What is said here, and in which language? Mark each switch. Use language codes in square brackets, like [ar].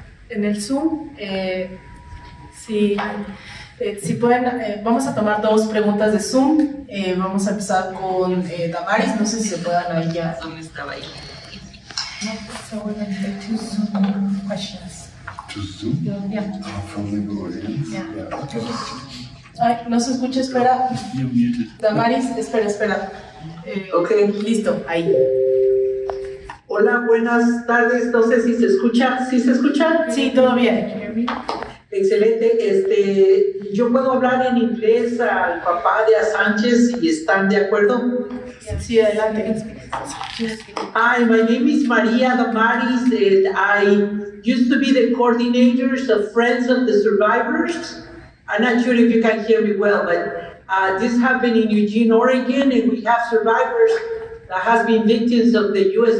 [es] En el Zoom, si pueden, vamos a tomar dos preguntas de Zoom. Vamos a empezar con Damaris, no sé si se puedan ahí ya. ¿Dónde estaba ahí? [en] So we're going to take two Zoom questions. To Zoom? Yeah. From the audience. Yeah. [es] Ay, no se escucha, espera. [en] You're muted. [es] Damaris, espera, espera. [en] Okay. [es] Listo, ahí. Hola, buenas tardes. No sé si se escucha. ¿Sí se escucha? Sí, todo bien. Excelente. Yo puedo hablar en inglés al papá de Sánchez y están de acuerdo. Sí, adelante. [en] Hi, my name is María Damaris, and I used to be the coordinator of Friends of the Survivors. I'm not sure if you can hear me well, but this happened in Eugene, Oregon, and we have survivors that has been victims of the U.S.